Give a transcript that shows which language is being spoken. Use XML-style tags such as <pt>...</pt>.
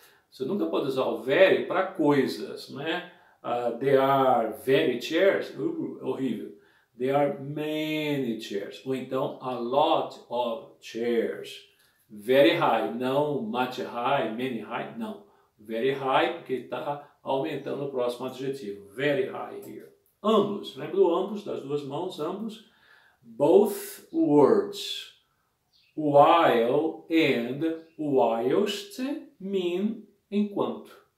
<pt>Você nunca pode usar o very para coisas, né?</pt> <en>There are very chairs, horrível. There are many chairs,</en> <pt>ou então</pt> <en>a lot of chairs. Very high, não much high, many high, não.</en> <pt>Very high, porque está aumentando o próximo adjetivo.</pt> <en>Very high here.</en> <pt>Ambos, lembra do ambos, das duas mãos, ambos.</pt> <en>Both words. While and whilst mean enquanto.</en>